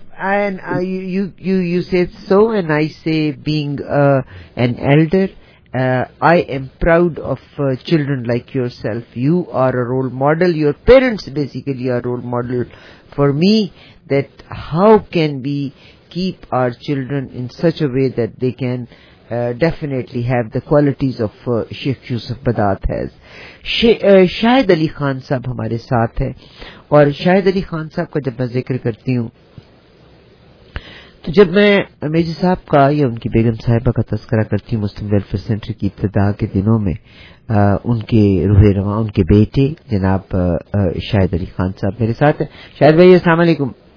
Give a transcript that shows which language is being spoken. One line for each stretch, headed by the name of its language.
English: And you said so and I say being an elder I am proud of children like yourself. You are a role model. Your parents basically are role model for me, that how can we keep our children in such a way that they can definitely have the qualities of Sheikh Yusuf Badat has.
Urdu: Shahid Ali Khan sahab humare saath hai, aur Shahid Ali Khan sahab ka jab main zikr karti hu, جب میں major صاحب کا یا ان کی بیگم صاحبہ کا تذکرہ کرتی ہوں مسلم ویلفیئر سینٹر کی ابتدا کے دنوں میں, ان کے روح رواں ان کے بیٹے جناب شاہد علی خان صاحب میرے ساتھ ہیں. شاہد بھائی السلام علیکم.